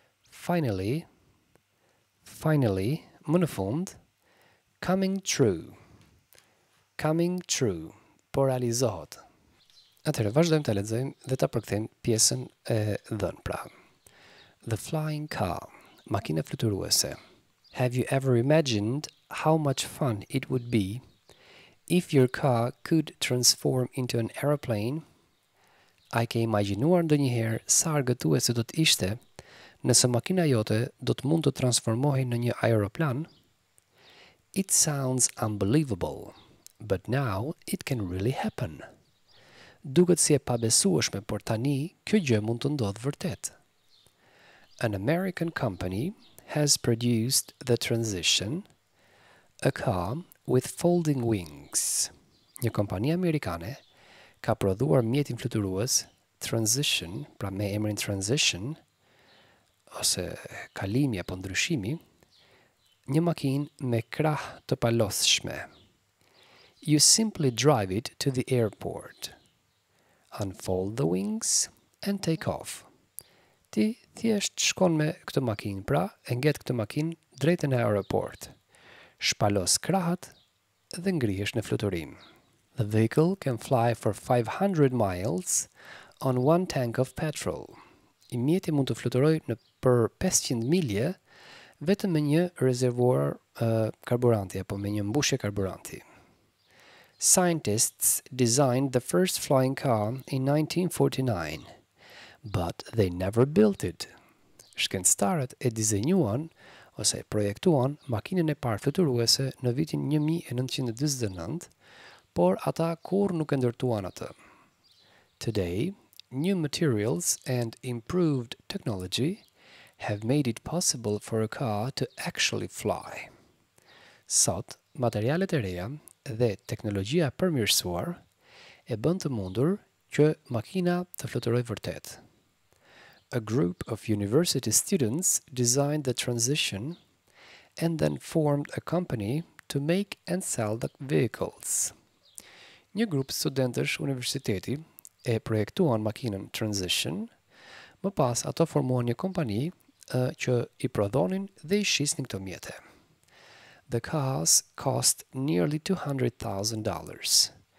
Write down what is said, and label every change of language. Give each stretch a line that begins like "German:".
English: Finally, finally,
Albanian: më në fund,
English: coming true, coming true,
Albanian: po realizohet. Atëherë, vazhdojmë të lexojmë dhe të përkthejmë pjesën e dhënë pra.
English: The flying car,
Albanian: makina fluturuese.
English: Have you ever imagined how much fun it would be if your car could transform into an aeroplane?
Albanian: A i ke imaginuar ndë njëherë sa argëtuese do të ishte nëse makina jote do të mund të transformohi në një aeroplan?
English: It sounds unbelievable, but now it can really happen.
Albanian: Duket si e pabesueshme, por tani kjo gjë mund të ndodhë vërtet.
English: An American company has produced the transition, a car with folding wings.
Albanian: Një kompani amerikane ka prodhuar mjetin fluturues Transition, pra me emrin Transition, ose kalimi apo ndryshimi, një makinë me krah të palodhshme.
English: You simply drive it to the airport. Unfold the wings and take off.
Albanian: Ti thjesht shkon me këtë makinë, pra, e ngjet këtë makinë drejt në aeroport. Shpalos krahat dhe ngrihesh në fluturim.
English: The vehicle can fly for 500 miles on one tank of petrol.
Albanian: I mjeti mund të fluturoj në për 500 milje vetëm me një rezervuar karburanti apo me një mbushje karburanti.
English: Scientists designed the first flying car in 1949, but they never built it.
Albanian: Shkencëtarët e dizajnuan ose projektuan makinën e parë fluturuese në vitin 1949, por ata kurrë nuk e ndërtuan atë.
English: Today, new materials and improved technology have made it possible for a car to actually fly.
Albanian: Sot, materialet e reja dhe teknologjia e përmirësuar e bën të mundur që makina të fluturojë vërtet.
English: A group of university students designed the transition and then formed a company to make and sell the vehicles.
Albanian: Një grup studentësh universiteti e projektuan makinën transition, më pas ato formuan një kompani që i prodhonin dhe i shisnin këto mjete.
English: The cars cost nearly $200,000.